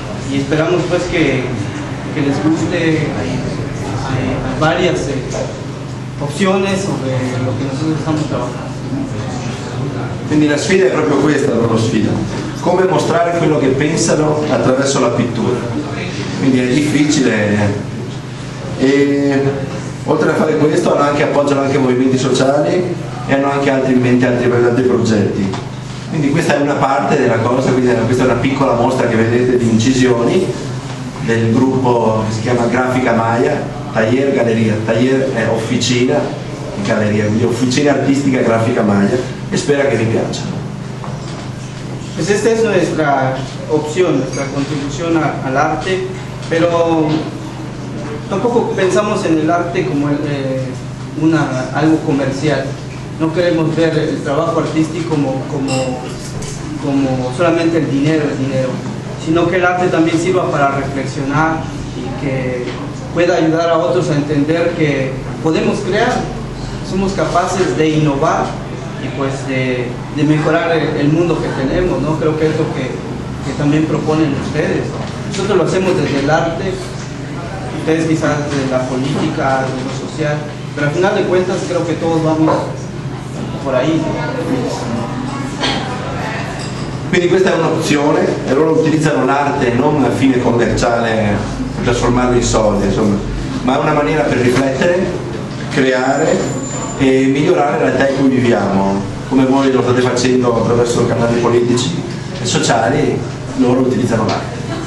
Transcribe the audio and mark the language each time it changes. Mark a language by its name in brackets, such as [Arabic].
[Spanish] Y esperamos pues que les guste. Hay varias opciones sobre lo que nosotros estamos trabajando. [Italian] Quindi la sfida è proprio questa, la sfida. Come mostrare quello che pensano attraverso la pittura. Quindi è difficile. E oltre a fare questo appoggiano anche movimenti sociali e hanno anche altri progetti. Quindi questa è una parte della cosa, questa è una piccola mostra che vedete di incisioni del gruppo che si chiama Grafica Maya, Taller Galleria, Taller è officina di galleria, quindi officina artistica Grafica Maya, e spero che vi piaccia. [Spanish] Pues esta es nuestra opción, nuestra contribución al arte, pero tampoco pensamos en el arte como algo comercial. No queremos ver el trabajo artístico como solamente el dinero, sino que el arte también sirva para reflexionar y que pueda ayudar a otros a entender que podemos crear, somos capaces de innovar y pues de mejorar el mundo que tenemos, ¿no? Creo que es lo que también proponen ustedes, ¿no? Nosotros lo hacemos desde el arte, ustedes quizás desde la política, desde lo social, pero al final de cuentas creo que todos vamos por ahí, ¿no? [Italian] Quindi questa è un'opzione, e loro utilizzano l'arte non a fine commerciale, trasformarlo in soldi, insomma, ma è una maniera per riflettere, creare e migliorare la realtà in cui viviamo, come voi lo state facendo attraverso canali politici e sociali, loro utilizzano l'arte.